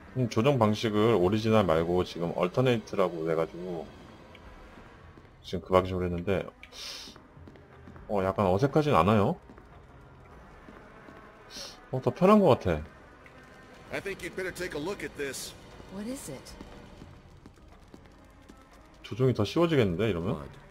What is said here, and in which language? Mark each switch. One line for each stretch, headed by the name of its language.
Korean: 조정 방식을 오리지널 말고 지금 얼터네이트라고 해가지고 지금 그 방식으로 했는데 약간 어색하진 않아요? 더 편한 것 같아.
English: I think you'd better take a look at this. What is it?
Korean: 조종이 더 쉬워지겠는데, 이러면?